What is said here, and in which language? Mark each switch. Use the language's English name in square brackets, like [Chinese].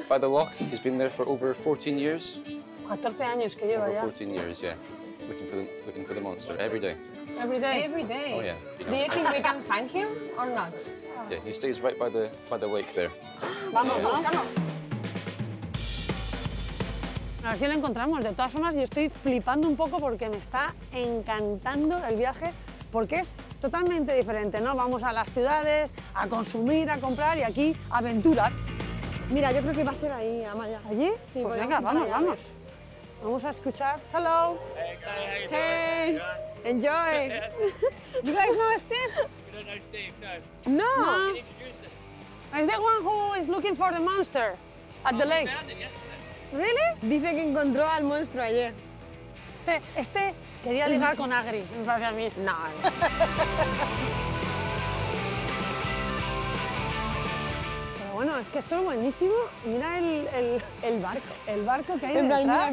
[English] By the lock. He's been there for over 14 years. [Spanish] 14 años que lleva, [English] yeah? Over 14 years, yeah. Looking for the monster every day. Every day? Every day? Oh, yeah. Do you think we can find him or not? Yeah, he stays right by the lake there. [Spanish] Vamos, vamos. A ver si lo encontramos. De todas formas, yo estoy flipando un poco porque me está encantando el viaje, porque es totalmente diferente, ¿no? Vamos a las ciudades, a consumir, a comprar, y aquí, aventura. Mira, yo creo que va a ser ahí, Amaya. ¿Allí? Sí, pues venga, vamos, vamos. Vamos a escuchar. [English] Hello. Hey. Enjoy. Yes. You guys know Steve? We don't know Steve, no. No. Can you introduce us? Is the one who is looking for the monster at the lake? Found him yesterday. Really? [Spanish] Dice que encontró al monstruo ayer. Este quería ligar con Agri, me parece a mí. No. Pero bueno, es que esto es buenísimo. Mira el barco. El barco que hay detrás.